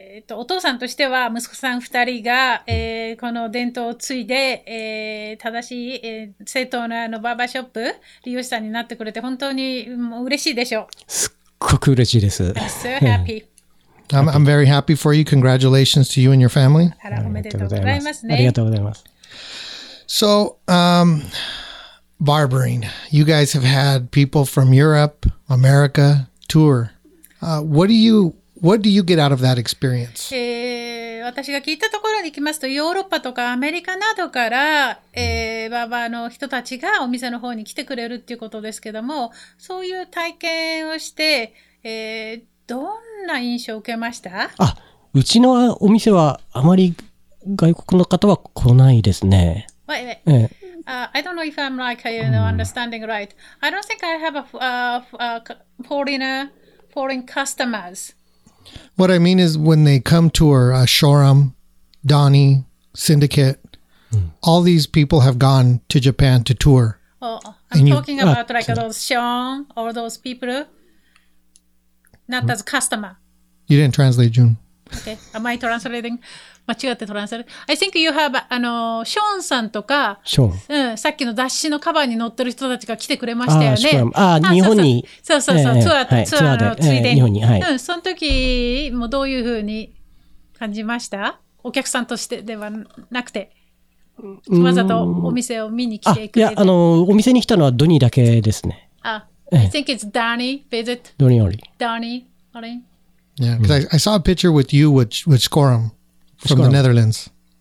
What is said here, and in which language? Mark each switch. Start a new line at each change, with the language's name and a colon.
Japanese: お父さんとしては息子さん二人が、この伝統を継いで、正しい、正当なバーバーショップ利用者さんになってくれて本当に嬉しいでしょう。すっごく嬉しいです。
English: So happy. I'm very happy for you. Congratulations to you and your family.
Japanese: ありがとうございます。
English: So, barbering. You guys have had people from Europe, America, tour. What do you get out of that experience?
Japanese: 私が聞いたところに行きますと、ヨーロッパとかアメリカなどから、バーバーの人たちがお店の方に来てくれるっていうことですけども、そういう体験をして、どんな印象を受けました？あ、うちのお店はあまり外国の方は来ないですね。
English: I don't know if I'm like, you know, understanding right. I don't think I have foreign customers. What I mean is when they come to our showroom, Donnie, Syndicate, all these people have gone to Japan to tour. I'm talking about those Sean or those people. Not as customer. You didn't translate, June. Okay. Am I translating?
Japanese: 間違ってトランスレート。
English: I think you have,
Japanese: ショーンさんとか、ショーン。うん。さっきの雑誌のカバーに載ってる人たちが来てくれましたよね。ああ、日本に。そうそうそう。ツアーで、ついでに。日本に。はい。うん。その時もどういうふうに感じました？お客さんとしてではなくて。わざとお店を見に来てくれて。いや、お店に来たのはドニーだけですね。
English: I think it's Donnie visit. Donnie Ori. Donnie Ori. Yeah, because I saw a picture with you with Skorum from the Netherlands.